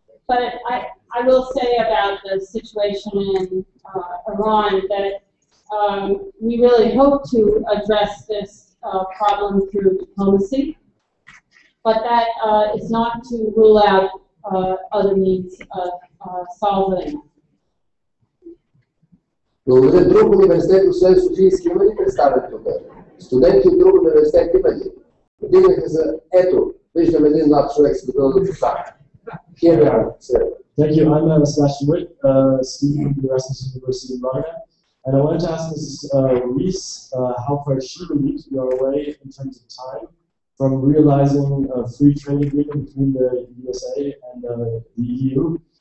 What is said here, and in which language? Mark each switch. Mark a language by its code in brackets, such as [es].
[en] But I will say about the situation in Iran that we really hope to address this problem through diplomacy, but that is not to rule out other means of solving. [bg] Добре, друг университет, освен Софийски, има ли представят тук? Студенти от друг университет има ли? Подигнаха за, ето, виждам един млад човек с готова да постава. [en] Thank you, I'm Anna Smashwick, student of the Erasmus University of Bulgaria. And I wanted to ask Mrs. Ries, how far she believes we are away in terms of time from realizing a free trade agreement between the USA and the EU.